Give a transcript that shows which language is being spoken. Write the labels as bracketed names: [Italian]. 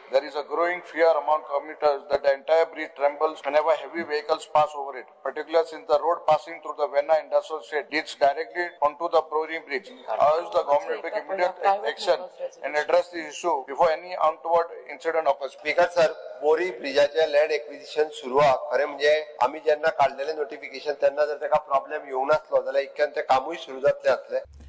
[English] There is a growing fear among commuters that the entire bridge trembles whenever heavy vehicles pass over it, particularly since the road passing through the Venna Industrial State leads directly onto the Bori Bridge. I urge the government to take immediate action and address the issue before any untoward incident occurs. Speaker, sir, [Konkani] बोरी ब्रिजाचे land acquisition सुरू आहा. खरें म्हणजे आम्ही जेव्हा काढलेले नोटिफिकेशन त्यांना जर त्याचा प्रॉब्लेम येऊ नसलो जाल्यार इतक्यान ते कामही सुरू जातले असले.